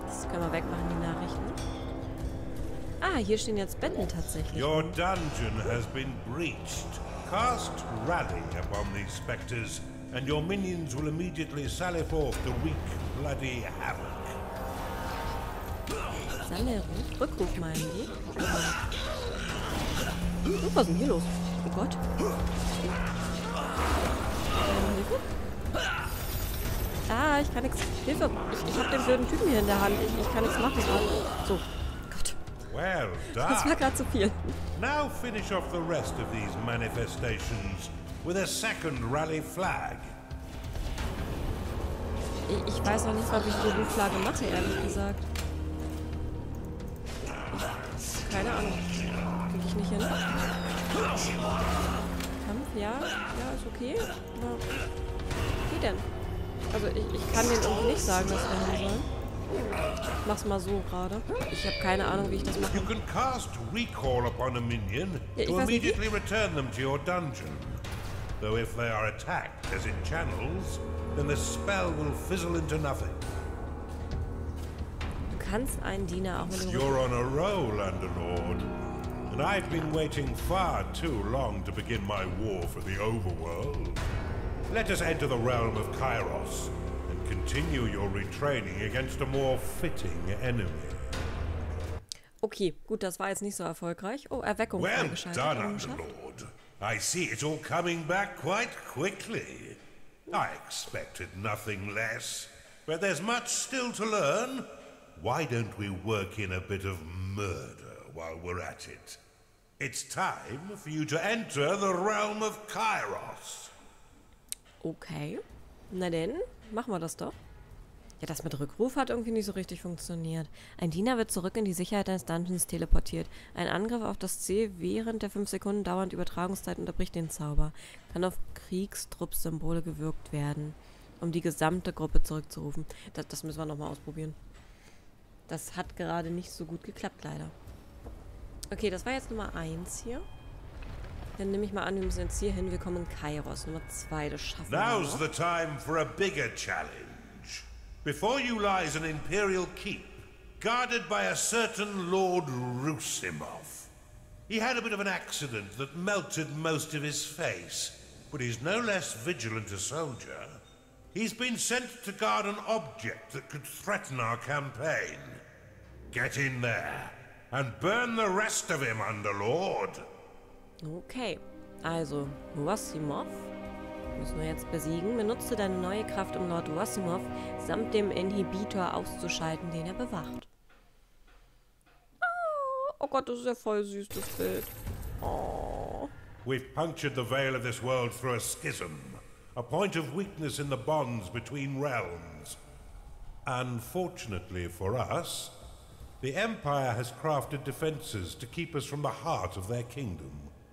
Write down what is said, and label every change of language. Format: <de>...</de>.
<de>Können wir wegmachen, die Nachrichten. Ah, hier stehen jetzt Betten tatsächlich.</de> <en>Your dungeon has been breached. Cast Rally upon these specters and your minions will immediately sally forth to wreak bloody havoc.</en> <de>Sally, Rückruf meinen die. Oh, was ist denn hier los? Oh Gott. Ah, ich kann nichts. Hilfe! Ich hab den blöden Typen hier in der Hand. Ich kann nichts machen. So. Gott.</de> <en>Well done.</en> <de>Das war gerade zu viel.</de> <en>Now finish off the rest of these manifestations with a second rally flag.</en> <de>Ich weiß noch nicht, ob ich die Rufflagge mache, ehrlich gesagt. Keine Ahnung. Krieg ich nicht hin. Kampf, ja. Ja, ist okay. Ja. Wie denn? Also ich kann den irgendwie nicht sagen, was wir hin sollen. Mach's mal so gerade. Ich habe keine Ahnung, wie ich das mache.</de> <en>You can cast recall upon a minion to immediately return them to your dungeon. Though if they are attacked as in channels, then the spell will fizzle into nothing.</en> <de>Du kannst einen Diener auch mit dem.</de> <en>You're on a roll, Underlord. And I've been waiting far too long to begin my war for the overworld. Let us enter the realm of Kairos and continue your retraining against a more fitting enemy.</en> <de>Okay, gut, das war jetzt nicht so erfolgreich. Oh, Erweckung.</de> <en>Well done, Lord. I see it's all coming back quite quickly. I expected nothing less. But there's much still to learn. Why don't we work in a bit of murder while we're at it? It's time for you to enter the realm of Kairos.</en> <de>Okay, na denn, machen wir das doch. Ja, das mit Rückruf hat irgendwie nicht so richtig funktioniert. Ein Diener wird zurück in die Sicherheit eines Dungeons teleportiert. Ein Angriff auf das Ziel während der 5 Sekunden dauernd Übertragungszeit unterbricht den Zauber. Kann auf Kriegstruppsymbole gewirkt werden, um die gesamte Gruppe zurückzurufen. Das müssen wir nochmal ausprobieren. Das hat gerade nicht so gut geklappt, leider. Okay, das war jetzt Nummer 1 hier. Dann nehme ich mal an, wir müssen jetzt hier hin. Wir kommen in Kairos. Nummer 2, das schaffen wir.</de> <en>Now's the time for a bigger challenge. Before you lies an imperial keep, guarded by a certain Lord Rusimov. He had a bit of an accident that melted most of his face, but he's no less vigilant a soldier. He's been sent to guard an object that could threaten our campaign. Get in there and burn the rest of him, Underlord.</en> <de>Okay, also, Rusimov müssen wir jetzt besiegen. Benutze deine neue Kraft, um Lord Rusimov samt dem Inhibitor auszuschalten, den er bewacht. Oh Gott, das ist ja voll süß, das Bild. Oh.</de> <en>We've punctured the veil of this world through a schism. A point of weakness in the bonds between realms. Unfortunately for us, the Empire has crafted defenses to keep us from the heart of their kingdom.</en>